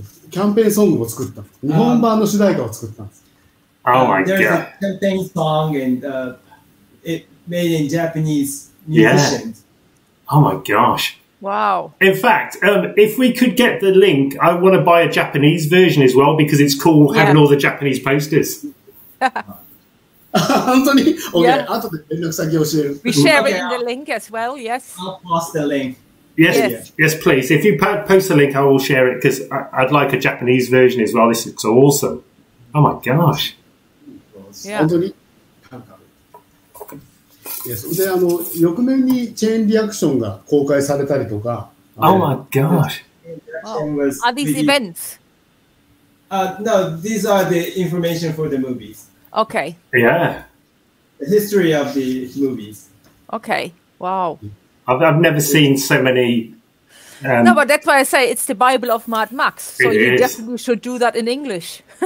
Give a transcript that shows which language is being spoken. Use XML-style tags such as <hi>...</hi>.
<ja>キャンペーンソングを作った。日本版の主題歌を作ったんです。</ja> <en>Oh my god. There's a campaign song and it made in Japanese musicians. Yeah. Oh my gosh. Wow. In fact, if we could get the link, I want to buy a Japanese version as well because it's cool having all the Japanese posters.</en> <ja>本当に?</ja> <en>Okay, yeah.</en> <ja>後で連絡先を教える。</ja> <en>We share it in the link as well, yes. I'll post the link. Yes, please. If you post the link, I will share it because I'd like a Japanese version as well. This looks awesome. Oh my gosh. Yeah.</en> <ja>本当に?</ja> <en>Yes.</en> <ja>で、翌年にチェーンリアクションが公開されたりとか。</ja> <en>Oh my gosh. Oh. Are these events? No, these are the information for the movies. Okay. Yeah. The history of the movies. Okay. Wow. I've never seen so many. No, but that's why I say it's the Bible of Mad Max. So you definitely should do that in English.</en>